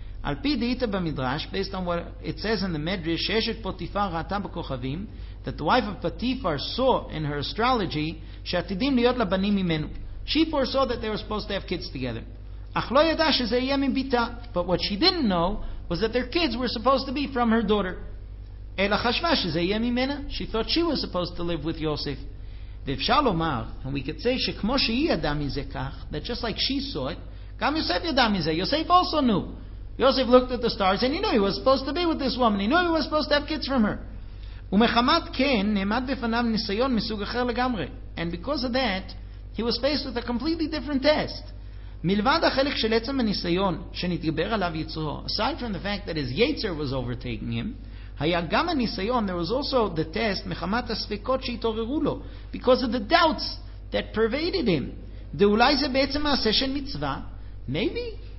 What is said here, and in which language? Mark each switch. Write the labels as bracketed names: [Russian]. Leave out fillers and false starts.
[Hebrew] על פי דעת במדרש, [English] based on what it says in the Medrash, [Hebrew] ששת פוטיפר ראתה בכוכבים, [English] that the wife of Potiphar saw in her astrology [Hebrew] שעתידים להיות לבנים ממנו. [English] She foresaw that they were supposed to have kids together. [Hebrew] אך לא ידע שזה יהיה מביתה. [English] But what she didn't know was that their kids were supposed to be from her daughter. [Hebrew] אלא חשבה שזה יהיה ממנה. [English] She thought she was supposed to live with Yosef. [Hebrew] ואפשר לומר, [English] and we could say [Hebrew] שכמו שהיא ידעה מזה כך, [English] that just like she saw it, [Hebrew] גם יוסף ידע מזה. [English] Yosef also knew. Yosef looked at the stars and he knew he was supposed to be with this woman. He knew he was supposed to have kids from her. [Hebrew] ומחמת כן, נעמד בפניו ניסיון מסוג אחר לגמרי. [English] And because of that, he was faced with a completely different test. [Hebrew] מלבד החלק של עצם הניסיון שנתגבר עליו יצרו, [English] aside from the fact that his Yetzer was overtaking him, [Hebrew] היה גם הניסיון, [English] there was also the test, [Hebrew] מחמת הספקות שהתעוררו לו, [English] because of the doubts that pervaded him. [Hebrew] ואולי זה בעצם מעשה של מצווה? Maybe